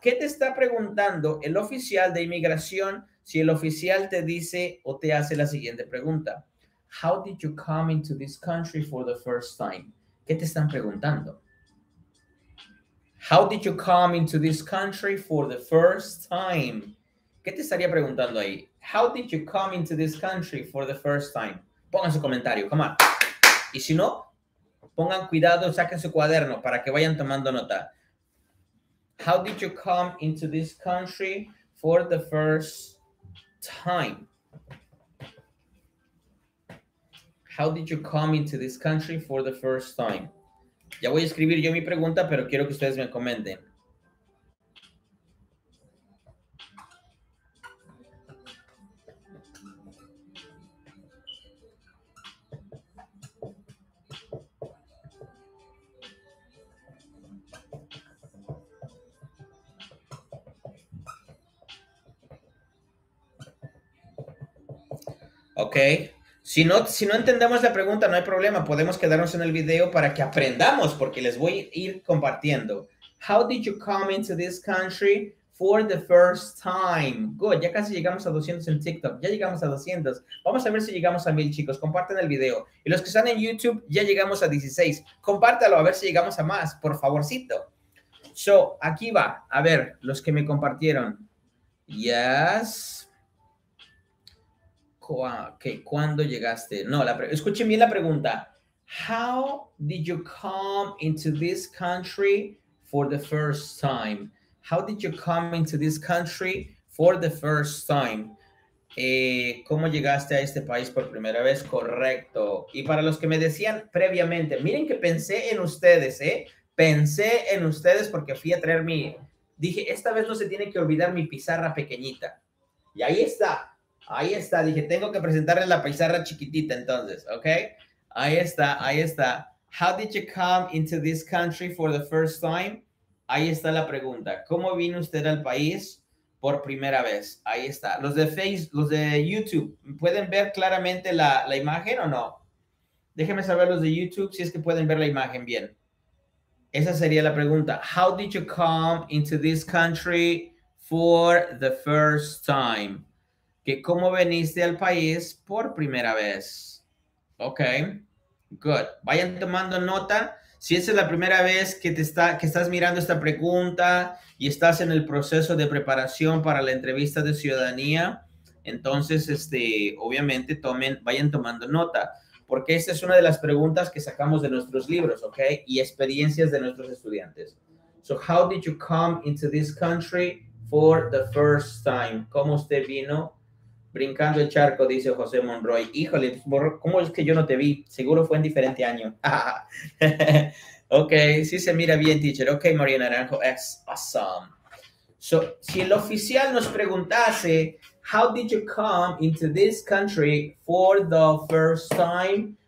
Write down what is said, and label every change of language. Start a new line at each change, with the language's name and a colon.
Spanish: ¿Qué te está preguntando el oficial de inmigración si el oficial te dice o te hace la siguiente pregunta?
English: How did you come into this country for the first time?
Spanish: ¿Qué te están preguntando?
English: How did you come into this country for the first time?
Spanish: ¿Qué te estaría preguntando ahí?
English: How did you come into this country for the first time?
Spanish: Pongan su comentario,
English: come on.
Spanish: Y si no, pongan cuidado, saquen su cuaderno para que vayan tomando nota.
English: How did you come into this country for the first time? How did you come into this country for the first time?
Spanish: Ya voy a escribir yo mi pregunta, pero quiero que ustedes me comenten. Ok, si no entendemos la pregunta, no hay problema. Podemos quedarnos en el video para que aprendamos, porque les voy a ir compartiendo.
English: How did you come into this country for the first time?
Spanish: Good, ya casi llegamos a 200 en TikTok. Ya llegamos a 200. Vamos a ver si llegamos a 1,000, chicos. Compartan el video. Y los que están en YouTube, ya llegamos a 16. Compártalo, a ver si llegamos a más, por favorcito. So, aquí va. A ver, los que me compartieron. Yes. Ok, ¿cuándo llegaste? No, escuchen bien la pregunta.
English: How did you come into this country for the first time? How did you come into this country for the first time?
Spanish: ¿Cómo llegaste a este país por primera vez? Correcto. Y para los que me decían previamente, miren que pensé en ustedes, ¿eh? Pensé en ustedes porque fui a traer mi... Dije, esta vez no se tiene que olvidar mi pizarra pequeñita. Y ahí está. Ahí está. Dije, tengo que presentarles la pizarra chiquitita entonces, ¿ok? Ahí está, ahí está.
English: How did you come into this country for the first time?
Spanish: Ahí está la pregunta. ¿Cómo vino usted al país por primera vez? Ahí está. Los de Facebook, los de YouTube, ¿pueden ver claramente la imagen o no? Déjenme saber los de YouTube si es que pueden ver la imagen bien. Esa sería la pregunta.
English: How did you come into this country for the first time?
Spanish: ¿Que cómo veniste al país por primera vez? Ok, good. Vayan tomando nota. Si esa es la primera vez que estás mirando esta pregunta y estás en el proceso de preparación para la entrevista de ciudadanía, entonces, obviamente, vayan tomando nota. Porque esta es una de las preguntas que sacamos de nuestros libros, ¿ok? Y experiencias de nuestros estudiantes.
English: So, how did you come into this country for the first time?
Spanish: ¿Cómo usted vino? Brincando el charco, dice José Monroy. Híjole, ¿cómo es que yo no te vi? Seguro fue en diferente año. Ok, sí se mira bien, teacher.
English: Ok, María Naranjo, es awesome. So,
Spanish: si el oficial nos preguntase,
English: how did you come into this country for the first time?